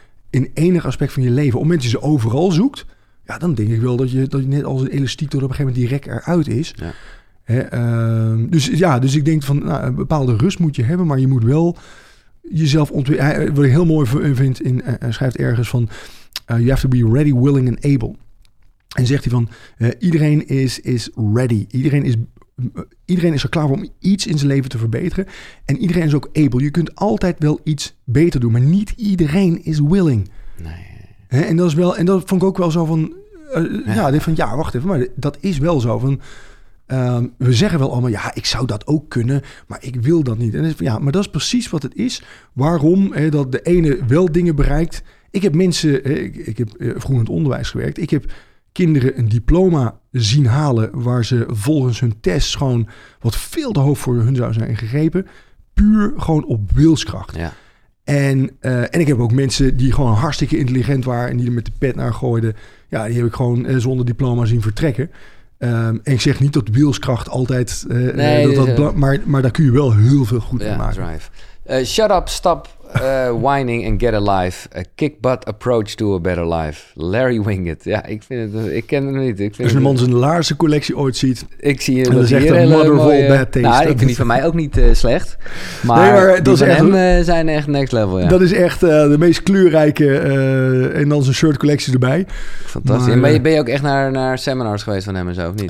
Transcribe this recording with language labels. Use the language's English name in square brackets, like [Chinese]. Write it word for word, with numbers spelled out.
[Dutch] in enig aspect van je leven. Op het moment dat je ze overal zoekt... ja, dan denk ik wel dat je, dat je net als een elastiek... door op een gegeven moment direct eruit is. Ja. Hè, uh, dus ja, dus ik denk van... Nou, een bepaalde rust moet je hebben... maar je moet wel jezelf ontwikkelen. Wat ik heel mooi vind, in, hij schrijft ergens van... [English] Uh, you have to be ready, willing and able. [Dutch] En zegt hij van... Uh, iedereen is, is ready. Iedereen is... Iedereen is er klaar voor om iets in zijn leven te verbeteren. En iedereen is ook able. Je kunt altijd wel iets beter doen. Maar niet iedereen is willing. Nee. He, en dat is wel, en dat vond ik ook wel zo van... Uh, ja, ja denk van ja, wacht even, maar dat is wel zo. Van, um, we zeggen wel allemaal, ja, ik zou dat ook kunnen, maar ik wil dat niet. En dan is van, ja, maar dat is precies wat het is. Waarom hè, dat de ene wel dingen bereikt. Ik heb mensen, hè, ik, ik heb uh, vroeger in het onderwijs gewerkt. Ik heb kinderen een diploma zien halen waar ze volgens hun test gewoon wat veel te hoog voor hun zou zijn gegrepen. Puur gewoon op wilskracht. Ja. En, uh, en ik heb ook mensen die gewoon hartstikke intelligent waren en die er met de pet naar gooiden. Ja, die heb ik gewoon uh, zonder diploma zien vertrekken. Um, en ik zeg niet dat wilskracht altijd... Uh, nee, uh, dat, dat nee, bla- maar, maar daar kun je wel heel veel goed mee ja, maken. [English] Drive. Uh, shut up, stop uh, whining and get a life. A kick-butt approach to a better life. [Dutch] Larry Winget. Ja, ik vind het... Ik ken hem niet. Ik vind Als een man zijn laarzencollectie ooit ziet... Ik zie en dat is echt een [English] mother of all bad things. [Dutch] Nou, ik vind die van mij ook niet uh, slecht. Maar, nee, maar dat die is van echt, hem uh, zijn echt [English] next level, [Dutch] ja. Dat is echt uh, de meest kleurrijke... Uh, en dan zijn shirtcollectie erbij. Fantastisch. Maar, en ben je, ben je ook echt naar, naar seminars geweest van hem en zo, of niet?